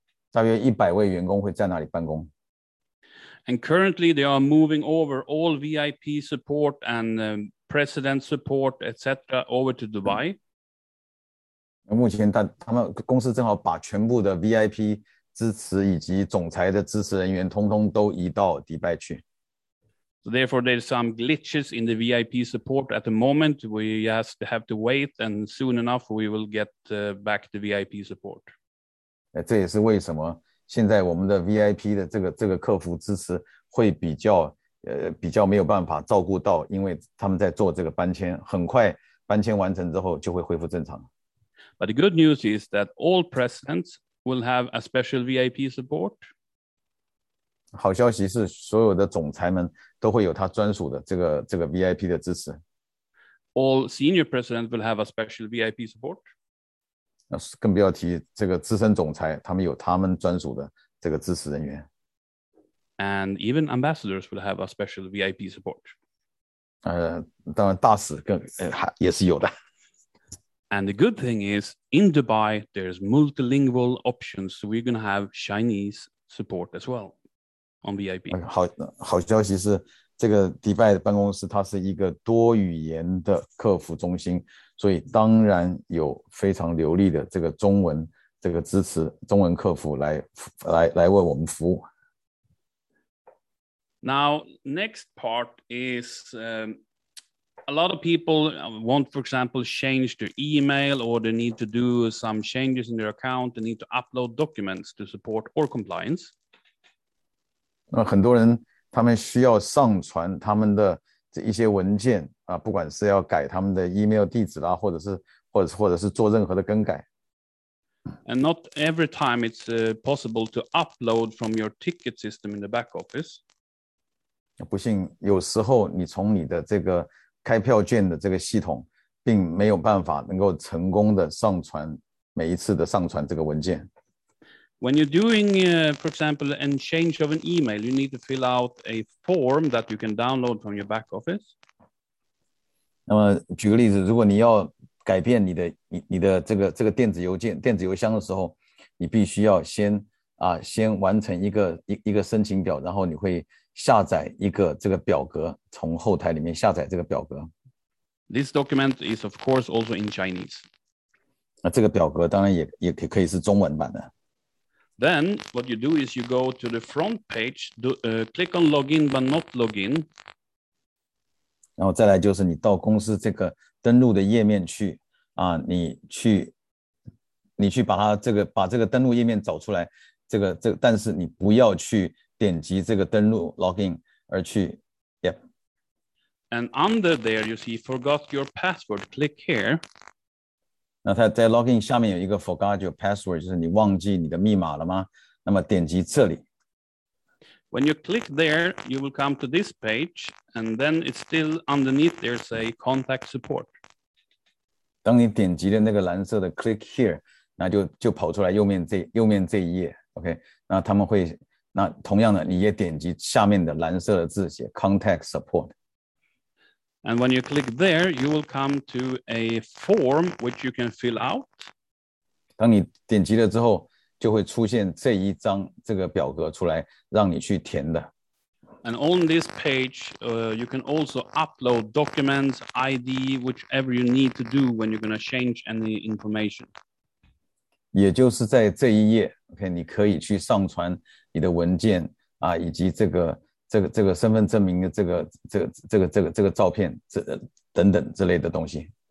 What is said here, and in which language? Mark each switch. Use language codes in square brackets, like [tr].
[zh] 大约100位员工会在那里办公。 [en] And currently, they are moving over all VIP support and president support, etc., over to Dubai. [zh] 目前他们公司正好把全部的 VIP 支持以及总裁的支持人员通通都移到迪拜去。 [en] So therefore, there's some glitches in the VIP support at the moment. We have to wait, and soon enough, we will get back the VIP support. [zh] 这也是为什么。现在我们的 VIP 的这个客服支持会比较没有办法照顾到，因为他们在做这个搬迁，很快搬迁完成之后就会恢复正常。 [en] But the good news is that all presidents will have a special VIP support. [zh] 好消息是所有的总裁们都会有他专属的这个 VIP 的支持。 [en] All senior presidents will have a special VIP support. [zh] 更不要提这个资深总裁，他们有他们专属的这个支持人员。 [en] And even ambassadors will have a special VIP support. [zh] 当然大使也是有的。 [en] And the good thing is, in Dubai, there's multilingual options, so we're going to have Chinese support as well on VIP. [zh] 好消息是，这个迪拜的办公室它是一个多语言的客服中心，所以当然有非常流利的这个中文这个支持中文客服来为我们服务。 [en] Now, next part is a lot of people want, for example, change their email or they need to do some changes in their account, they need to upload documents to support or compliance. [zh] 很多人他们需要上传他们的这一些文件啊，不管是要改他们的 email 地址啦，或者是做任何的更改。 [en] And not every time it's possible to upload from your ticket system in the back office. [zh] 不幸有时候你从你的这个开票券的这个系统，并没有办法能够成功的上传每一次的上传这个文件。 [en] When you're doing, for example, an change of an email, you need to fill out a form that you can download from your back office. [zh] 那么举个例子，如果你要改变你的这个电子邮件电子邮箱的时候，你必须要先完成一个申请表，然后你会下载一个这个表格，从后台里面下载这个表格。 [en] This document is, of course, also in Chinese. [zh] 那这个表格当然也可以是中文版的。 [en] Then what you do is you go to the front page, click on login but not login. [zh] 然后再来就是你到公司这个登录的页面去啊，你去把这个登录页面找出来，这个，但是你不要去点击这个登录 login 而去 ，yep. [en] And under there you see forgot your password. Click here. [zh] 那他在 login 下面有一个 [en] forgot your password， [zh] 就是你忘记你的密码了吗？那么点击这里。 [en] When you click there, you will come to this page, and then it's still underneath there say contact support. [zh] 当你点击的那个蓝色的 [en] click here， [zh] 那就跑出来右面这一页 ，OK？那他们会，那同样的你也点击下面的蓝色的字写 [en] contact support。 And when you click there, you will come to a form which you can fill out. [zh] 当你点击了之后，就会出现这一张这个表格出来，让你去填的。 [en] And on this page, you can also upload documents, ID, whichever you need to do when you're going to change any information. [zh] 也就是在这一页 ，OK， 你可以去上传你的文件啊，以及这个身份证明的这个照片，等等之类的东西。